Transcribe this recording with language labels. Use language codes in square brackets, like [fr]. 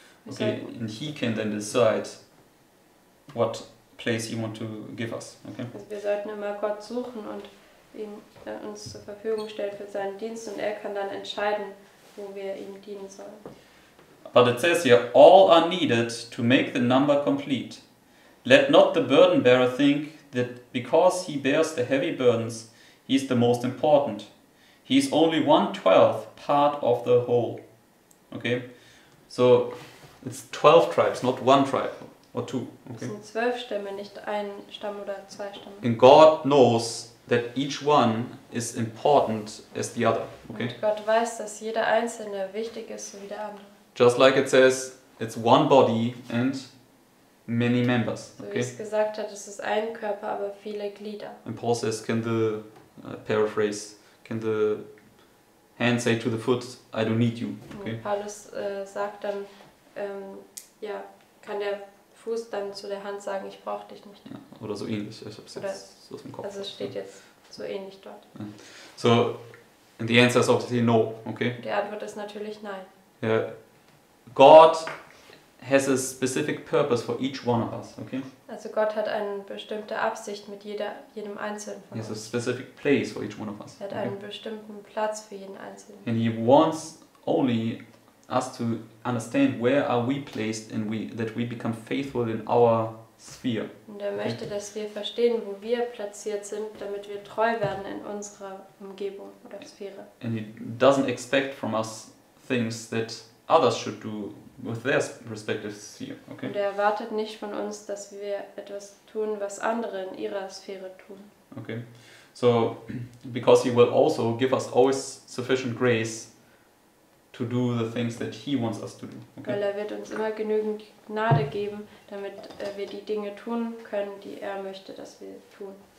[en] Okay, and He can then decide what place He want to give us. Okay. [de] Also wir sollten immer Gott suchen und ihn uns zur Verfügung stellt für seinen Dienst und er kann dann entscheiden, wo wir ihm dienen sollen. [en] But it says here, all are needed to make the number complete. Let not the burden bearer think that because he bears the heavy burdens, he is the most important. He is only 1/12 part of the whole. Okay, so it's 12 tribes, not one tribe or two. Okay. [de] Es sind 12 Stämme, nicht ein Stamm oder zwei Stämme. [en] And God knows that each one is important as the other. Okay. [de] Und Gott weiß, dass jeder einzelne wichtig ist, so wie der andere. [en] Just like it says, it's one body and many members. Okay. [de] So wie es gesagt hat, es ist ein Körper, aber viele Glieder. [en] And Paul says, can the hand say to the foot, I don't need you? Okay. [de] Und Paulus sagt dann, kann der Fuß dann zu der Hand sagen, ich brauche dich nicht. Ja, oder so ähnlich. Ich hab's jetzt so aus dem Kopf. Also es steht jetzt so ähnlich dort. Ja. [en] So, and the answer is obviously no, okay? [de] Die Antwort ist natürlich nein. [en] Yeah. God has a specific purpose for each one of us, okay? [de] Also Gott hat eine bestimmte Absicht mit jedem Einzelnen von uns. [en] He has a specific place for each one of us. [de] Er hat einen bestimmten Platz für jeden Einzelnen. [en] And he wants only us to understand where are we placed and we that we become faithful in our sphere. [de] Und er möchte, dass wir verstehen, wo wir platziert sind, damit wir treu werden in unserer Umgebung oder Sphäre. [en] And he doesn't expect from us things that others should do with their respective sphere. Okay. [de] Und er erwartet nicht von uns, dass wir etwas tun, was andere in ihrer Sphäre tun. [en] Okay. So, because he will also give us always sufficient grace to do the things that he wants us to do. Okay. [de] Weil er wird uns immer genügend Gnade geben, damit wir die Dinge tun können, die er möchte, dass wir tun.